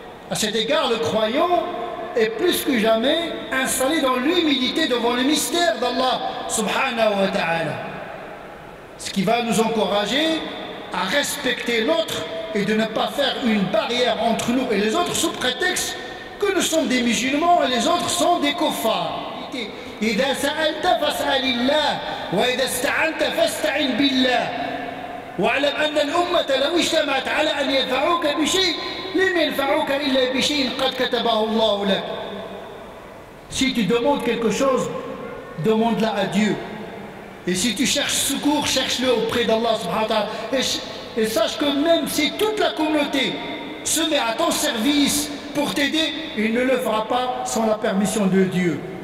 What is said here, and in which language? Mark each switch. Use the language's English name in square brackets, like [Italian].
[French] À cet égard, le croyant est plus que jamais installé dans l'humilité devant le mystère d'Allah [Arabic] subhanahu wa ta'ala. [French] Ce qui va nous encourager à respecter l'autre et de ne pas faire une barrière entre nous et les autres sous prétexte que nous sommes des musulmans et les autres sont des kuffars. [Arabic] إذا سألت فاسأل الله وإذا استعنت فاستعن بالله واعلم أن الأمة لو اجتمعت على أن ينفعوك بشيء لم ينفعوك إلا بشيء قد كتبه الله لك. [French] Si tu demandes quelque chose, demande-la à Dieu. Et si tu cherches secours, cherche-le auprès d'Allah [Arabic] subhanahu wa ta'ala. [French] Et sache que même si toute la communauté se met à ton service pour t'aider, il ne le fera pas sans la permission de Dieu.